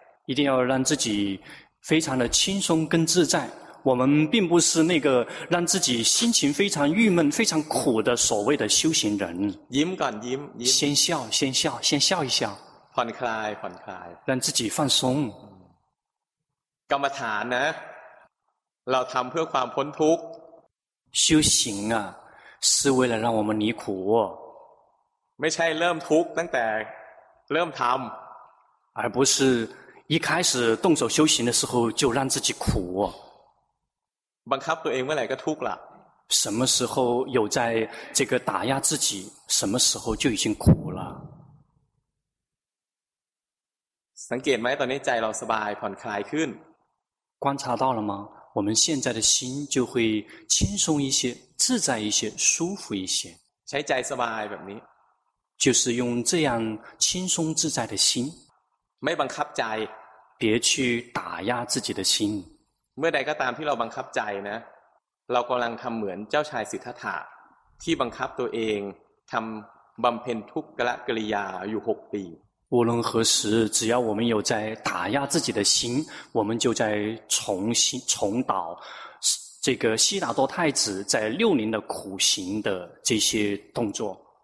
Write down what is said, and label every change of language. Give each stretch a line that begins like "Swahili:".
Chinese: 一定要让自己非常的轻松跟自在我们并不是那个让自己心情非常郁闷非常苦的所谓的修行人
Thai: ยิ้มก่อนยิ้ม
Chinese: 先笑一笑
Thai: ผ่อนคลายผ่อนคลาย
Chinese: 让自己放松
Thai: กรรมฐานนะเราทำเพื่อความพ้นทุกข์
Chinese: 修行啊是为了让我们离苦
Thai: ไม่ใช่เริ่มทุกข์ตั้งแต่เริ่มทำ
Chinese: 而不是一开始动手修行的时候就让自己苦
Thai: บังคับตัวเองเมื่อไหร่ก็ทุกข์ละ
Chinese: 什么时候有在这个打压自己什么时候就已经苦了
Thai: สังเกตไหมตอนนี้ใจเราสบายผ่อนคลายขึ้น
Chinese: 观察到了吗我们现在的心就会轻松一些自在一些舒服一些
Thai: ใช้ใจสบายแบบนี้
Chinese: 就是用这样轻松自在的心
Thai: ไม่บังคับใจ
Chinese: 别去打压自己的心
Thai: เมื่อใดก็ตามที่เราบังคับใจนะเรากำลังทำเหมือนเจ้าชายสิทธัตถะที่บังคับตัวเองทำบำเพ็ญทุกขกิริยาอยู่หกปี
Chinese: 无论何时只要我们有在打压自己的心我们就在重蹈这个悉达多太子在六年的苦行的这些动作